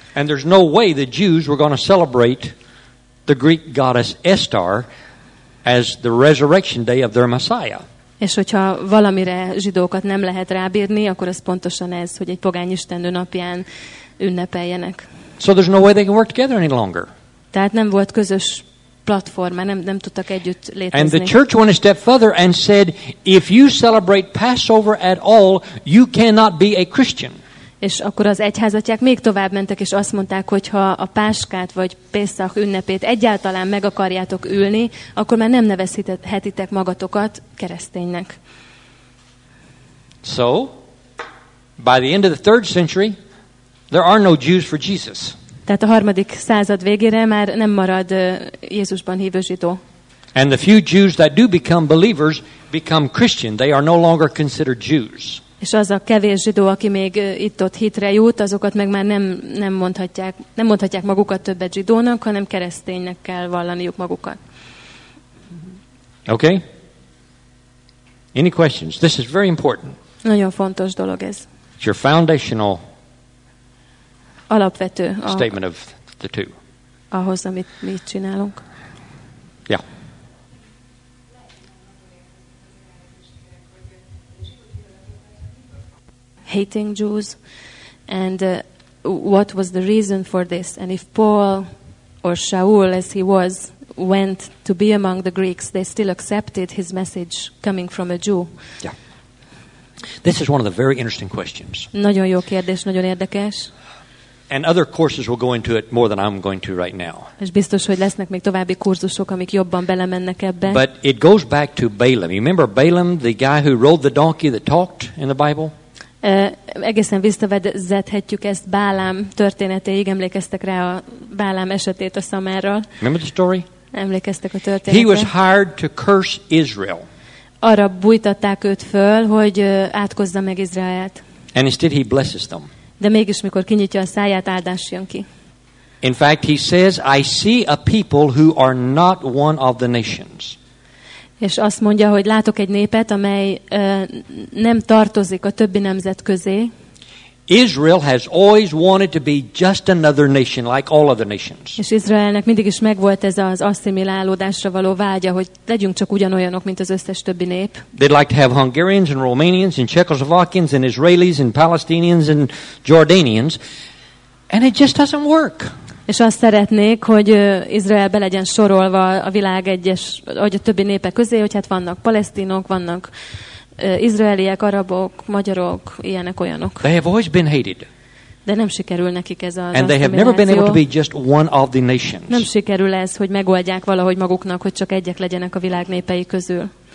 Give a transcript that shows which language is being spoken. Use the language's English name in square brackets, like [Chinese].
[English] And there's no way the Jews were going to celebrate the Greek goddess Esther as the resurrection day of their Messiah. [Hungarian] És hogyha valamire zsidókat nem lehet rábírni, akkor az pontosan ez, hogy egy pogány istennő napján ünnepeljenek. [English] So there's no way they can work together any longer. [Hungarian] Tehát nem volt közös platforma, nem tudtak együtt létezni. [English] And the church went a step further and said, if you celebrate Passover at all, you cannot be a Christian. [Hungarian] És akkor az egyházatják még tovább mentek, és azt mondták, hogy ha a Páskát vagy Pészach ünnepét egyáltalán meg akarjátok ülni, akkor már nem nevezhetitek magatokat kereszténynek. [English] So, by the end of the third century, there are no Jews for Jesus. [Hungarian] Tehát a harmadik század végére már nem marad Jézusban hívő zsidó. [English] And the few Jews that do become believers become Christian. They are no longer considered Jews. [Hungarian] És az a kevés zsidó, aki még itt-ott hitre jut, azokat meg már nem mondhatják magukat többet zsidónak, hanem kereszténynek kell vallaniuk magukat. [English] Okay. Any questions? This is very important. [Hungarian] Nagyon fontos dolog ez. [English] It's your foundational [Hungarian] alapvető [English] statement of the two. [Hungarian] Ahhoz, amit mi itt csinálunk. [English] Yeah. Hating Jews, and what was the reason for this? And if Paul or Shaul, as he was, went to be among the Greeks, they still accepted his message coming from a Jew. Yeah. This is one of the very interesting questions. [Hungarian] Nagyon jó kérdés, nagyon érdekes. [English] And other courses will go into it more than I'm going to right now. [Hungarian] És biztos, hogy lesznek még további kurzusok, amik jobban belemennek ebbe. [English] But it goes back to Balaam. You remember Balaam, the guy who rode the donkey that talked in the Bible? [Hungarian] Egészen visszavezethetjük ezt Bálám történetéig. Emlékeztek rá a Bálám esetét a Szamárral? [English] Remember the story? [Hungarian] Emlékeztek a történetre? [English] He was hired to curse Israel. [Hungarian] arra bújtatták őt föl, hogy átkozza meg Izraelt. [English] And instead he blesses them. [Hungarian] De mégis, mikor kinyitja a száját, áldás jön ki. [English] In fact, he says, I see a people who are not one of the nations. [Hungarian] És azt mondja, hogy látok egy népet, amely nem tartozik a többi nemzet közé. [English] Israel has always wanted to be just another nation like all other nations. [Hungarian] És Izraelnek mindig is megvolt ez az asszimilálódásra való vágya, hogy legyünk csak ugyanolyanok, mint az összes többi nép. [English] They'd like to have Hungarians and Romanians and Czechoslovakians and Israelis and Palestinians and Jordanians, and it just doesn't work. [Hungarian] És azt szeretnék, hogy Izrael be legyen sorolva a világ egyes, vagy a többi népek közé, hogy hát vannak palesztinok, vannak izraeliek, arabok, magyarok, ilyenek, olyanok. [English] They have always been hated. [Hungarian] De nem sikerül nekik ez az [English] And they have never been able to be just one of the nations. [Hungarian] Nem sikerül ez, hogy megoldják valahogy maguknak, hogy csak egyek legyenek a világ népei közül.